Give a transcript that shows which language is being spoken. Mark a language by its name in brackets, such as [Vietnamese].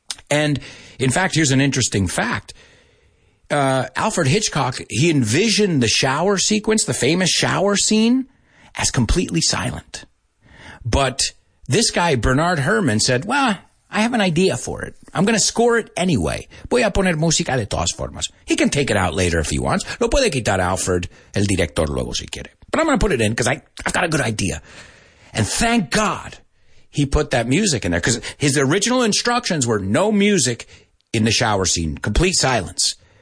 [English] And in fact, here's an interesting fact. Alfred Hitchcock, he envisioned the shower sequence, the famous shower scene, as completely silent. But this guy, Bernard Herrmann, said, well, I have an idea for it. I'm going to score it anyway. [Spanish] Voy a poner música de todas formas. [English] He can take it out later if he wants. [Spanish] Lo puede quitar Alfred, el director, luego si quiere. [English] But I'm going to put it in because I've got a good idea. And thank God he put that music in there, because his original instructions were no music in the shower scene, complete silence.